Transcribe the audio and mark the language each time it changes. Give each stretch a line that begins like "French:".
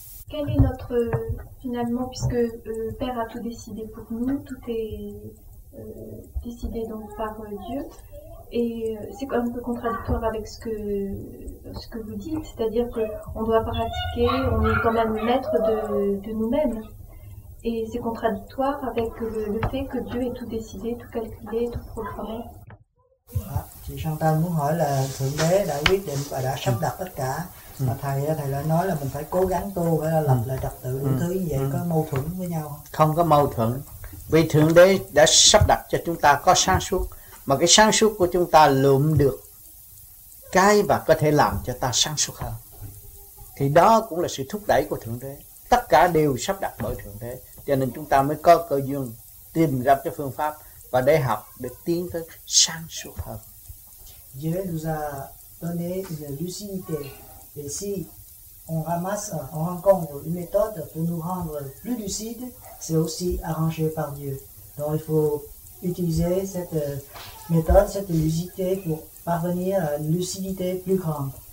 French: Quel est notre, finalement, puisque le Père a tout décidé pour nous, tout est décidé donc par Dieu, et c'est un peu contradictoire avec ce que vous dites, c'est-à-dire qu'on doit pratiquer, on est quand même maître de nous-mêmes, et c'est contradictoire avec le fait que Dieu ait tout décidé, tout calculé, tout programmé.
Vietnamese: Chị sang tâm muốn hỏi là Thượng Đế đã quyết định và đã sắp đặt tất cả. Mà thầy thầy đã nói là mình phải cố gắng tu, phải là lập lại trật tự những thứ như vậy, có mâu thuẫn với nhau không? Không có mâu thuẫn. Vì Thượng Đế đã sắp đặt cho chúng ta có sáng suốt. Mà cái sáng suốt của chúng ta lượm được cái và có thể làm cho ta sáng suốt hơn. Thì đó cũng là sự thúc đẩy của Thượng Đế. Tất cả đều sắp đặt bởi Thượng Đế. Cho nên chúng ta mới có cơ duyên tìm ra cái phương pháp và để học để tiến tới sáng suốt hơn.
French: Dieu nous a donné une lucidité. Et si on ramasse, on rencontre une méthode pour nous rendre plus lucides, c'est aussi arrangé par Dieu. Donc il faut utiliser cette méthode, cette lucidité pour parvenir à une lucidité plus grande.